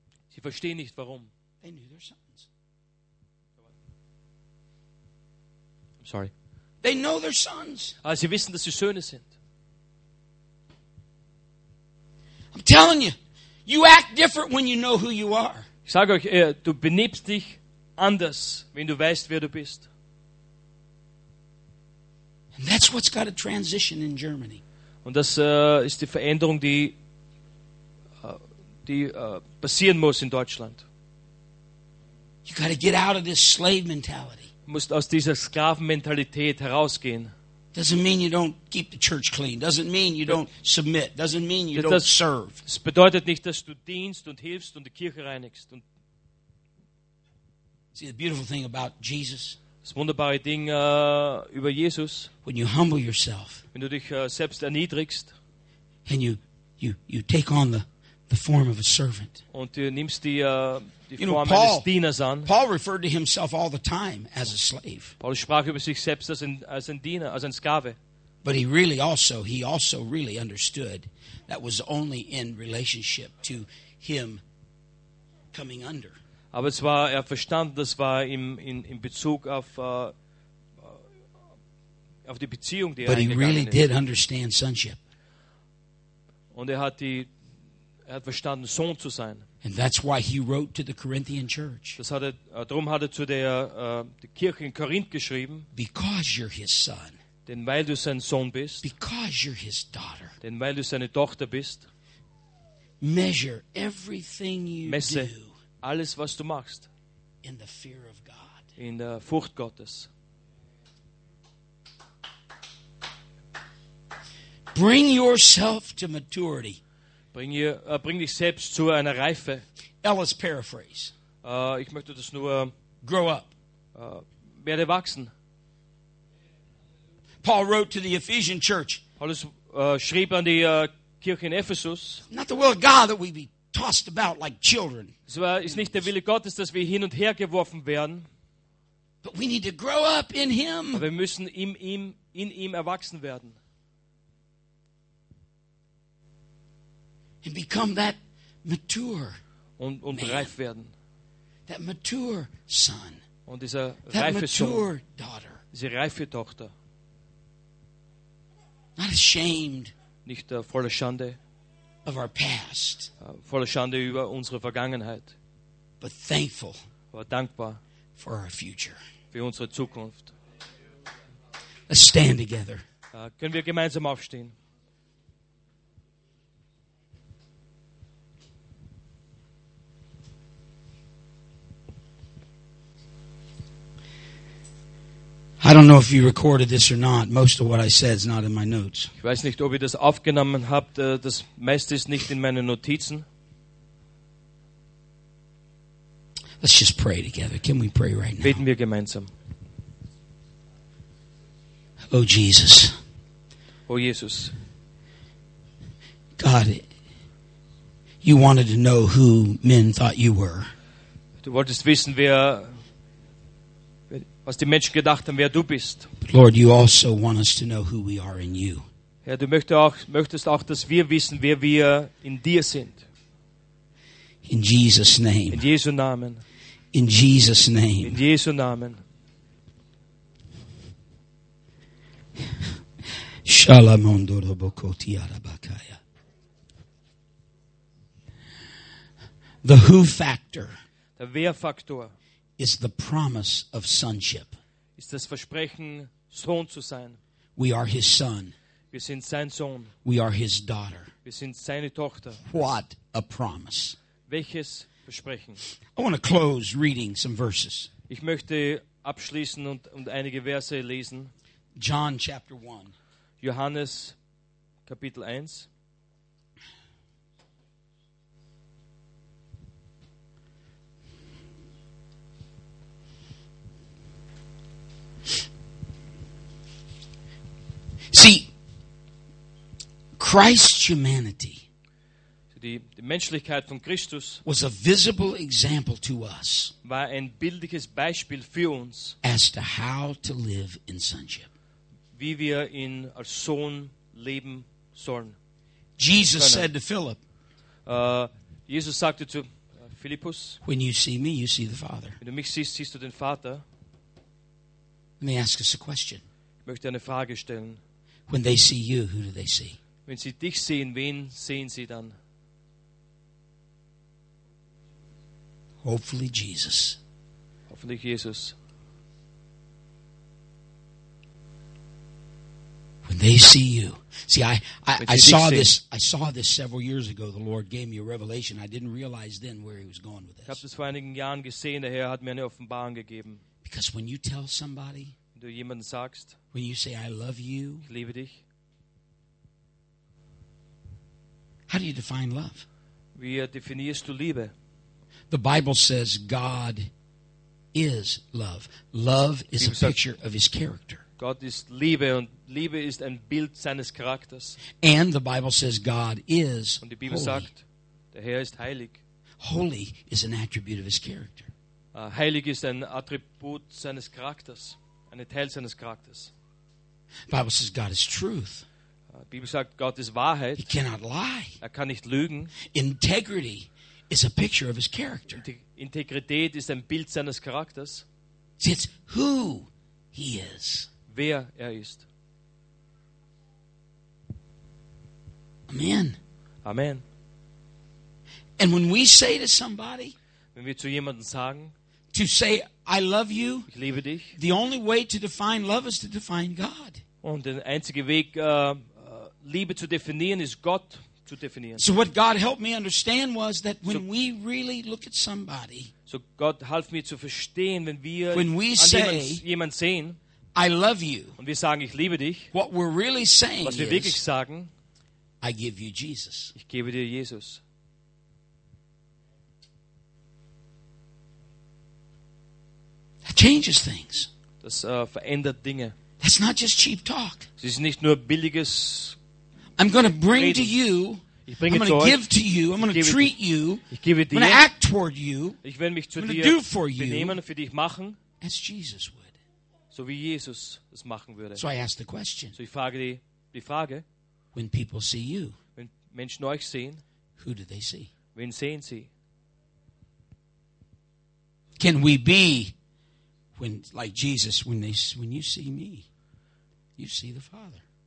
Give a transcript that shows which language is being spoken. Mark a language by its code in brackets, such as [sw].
[de] Sie verstehen nicht warum. [en] They knew their sons. I'm sorry. They know their sons. [de] Sie wissen, dass sie Söhne sind. [en] I'm telling you, you act different when you know who you are. [de] Ich sage euch, du benimmst dich anders, wenn du weißt, wer du bist. [en] And that's what's got a transition in Germany. [de] Und das ist die Veränderung, die passieren muss in Deutschland. [en] You got to get out of this slave mentality. [de] Du musst aus dieser Sklavenmentalität herausgehen. [en] Doesn't mean you don't keep the church clean. Doesn't mean you don't submit. Doesn't mean you don't serve. [de] Das bedeutet nicht, dass du dienst und hilfst und die Kirche reinigst. Und [en] see the beautiful thing about Jesus. [de] Das wunderbare Ding über Jesus. [en] When you humble yourself, [de] wenn du dich selbst erniedrigst, [en] and you take on the the form of a servant. [de] Und du nimmst die, die Form eines Dieners an. [en] Paul referred to himself all the time as a slave. [de] Paulus sprach über sich selbst als ein Diener, als ein Sklave. [en] But he also really understood that was only in relationship to him coming under. [de] Aber zwar er verstand, das war in Bezug auf die Beziehung, die [en] But [de] er [en] he really [de] ist. [en] Did understand sonship. [de] Und er hat verstanden, Sohn zu sein. [en] And that's why he wrote to the Corinthian church. [de] Das hat er, darum hat er zu der die Kirche in Korinth geschrieben. [en] Because you're his son. [de] Denn weil du sein Sohn bist. [en] Because you're his daughter. [de] Denn weil du seine Tochter bist. [en] Measure everything you [de] messe [en] do. [de] Alles, was du machst. [en] In the fear of God. [de] In der Furcht Gottes. [en] Bring yourself to maturity. [de] Bring dich selbst zu einer Reife. [en] Ellis paraphrase. [de] Ich möchte das nur. [en] Grow up. [de] Werde wachsen. [en] Paul wrote to the Ephesian church. [de] Paulus schrieb an die Kirche in Ephesus. [en] Not the will of God that we be tossed about like children. [de] Es ist nicht der Wille Gottes, dass wir hin und her geworfen werden. [en] But we need to grow up in Him. [de] Aber wir müssen in ihm erwachsen werden. [en] And become that mature [de] und [en] man. [de] Reif werden. [en] That mature son. [de] Und dieser [en] that [de] reife [en] mature [de] Sohn. [en] Daughter. [de] Diese reife Tochter. [en] Not ashamed. [de] Nicht voller Schande. [en] Of our past. [de] Voller Schande über unsere Vergangenheit. [en] But thankful. [de] Aber dankbar. [en] For our future. [de] Für unsere Zukunft. [en] Let's stand together. [de] Können wir gemeinsam aufstehen? [en] I don't know if you recorded this or not. Most of what I said is not in my notes. [de] Ich weiß nicht, ob ihr das aufgenommen habt. Das meiste ist nicht in meinen Notizen. [en] Let's just pray together. Can we pray right now? [de] Beten wir gemeinsam. [en] Oh Jesus. [de] Oh Jesus. [en] God, you wanted to know who men thought you were. [de] Du wolltest wissen, wer was die Menschen gedacht haben, wer du bist. [en] Lord, you also want us to know who we are in you. [de] Herr, du möchtest auch, dass wir wissen, wer wir in dir sind. [en] In Jesus' name. [de] In Jesu Namen. [en] In Jesus' name. [de] In Jesu Namen. Shalom Dorobokoti Arabakaya. [en] The who factor. [de] Der Wer-Faktor. [en] Is the promise of sonship. [de] Ist das Versprechen, Sohn zu sein. [en] We are his son. [de] Wir sind sein Sohn. [en] We are his daughter. [de] Wir sind seine Tochter. [en] What a promise. [de] Welches Versprechen. [en] I want to close reading some verses. [de] Ich möchte abschließen und einige Verse lesen. [en] John chapter 1. [de] Johannes Kapitel 1. [en] See, Christ's humanity [de] die Menschlichkeit von Christus [en] was a visible example to us [de] war ein bildliches Beispiel für uns [en] as to how to live in sonship. [de] Wie wir in als Sohn leben sollen. [en] Jesus said to Philip, [de] Jesus sagte zu Philippus, [en] when you see me, you see the Father. [de] Wenn du mich siehst, siehst du den Vater. [en] Let me ask us a question. [de] Ich möchte eine Frage stellen. [en] When they see you, who do they see? [de] Wenn sie dich sehen, wen sehen sie dann? [en] Hopefully Jesus. [de] Hoffentlich Jesus. [en] When they see you. See, I saw this several years ago. The Lord gave me a revelation. I didn't realize then where he was going with this. [de] Ich habe das vor einigen Jahren gesehen. Der Herr hat mir eine Offenbarung gegeben. [en] Because when you tell somebody, [de] du jemanden sagst, [en] when you say, I love you, [de] ich liebe dich. [en] How do you define love? [de] Wie definierst du Liebe? [en] The Bible says God is love. Love is a picture of his character. [de] Gott ist Liebe und Liebe ist ein Bild seines Charakters. [en] And the Bible says God is [de] holy. Und die Bibel sagt, Der Herr ist heilig. [en] Holy is an attribute of his character. [de] Heilig ist ein Attribut seines Charakters, ein Teil seines Charakters. [en] The Bible says God is truth. [de] Die Bibel sagt, Gott ist Wahrheit. [en] He cannot lie. [de] Er kann nicht lügen. [en] Integrity is a picture of his character. [de] Integrität ist ein Bild seines Charakters. [en] See, it's who he is. [de] Wer er ist. [en] Amen. [de] Amen. [en] And when we say to somebody, [de] wenn wir zu jemandem sagen, [en] to say I love you, [de] ich liebe dich, [en] the only way to define love is to define God. [de] Und der einzige Weg, Liebe zu definieren, ist Gott zu definieren. [en] So what God helped me understand was that when we really look at somebody, [de] so Gott half mir zu verstehen, wenn wir [en] when we say [de] jemand sehen, [en] I love you, [de] und wir sagen ich liebe dich, [en] what we're really saying, [de] was wir wirklich sagen, [en] I give you Jesus. [de] Ich gebe dir Jesus. [en] That changes things. [de] Das verändert Dinge. [en] That's not just cheap talk. [de] Es ist nicht nur billiges. [en] I'm going to bring to you. [de] Ich bringe [en] I'm going to give to you. I'm going to treat you. [de] Ich gebe dir. [en] I'm going to act toward you. [de] Ich werde mich zu [en] I'm [de] dir [en] do for you, [de] benehmen, für dich machen. [en] As Jesus would. [de] So wie Jesus es machen würde. [en] So I ask the question. [de] So ich frage die Frage. [en] When people see you, [de] wenn Menschen euch sehen, [en] who do they see? [de] Wen sehen sie? [en] Can we be when like Jesus when they when you see me, you see the Father?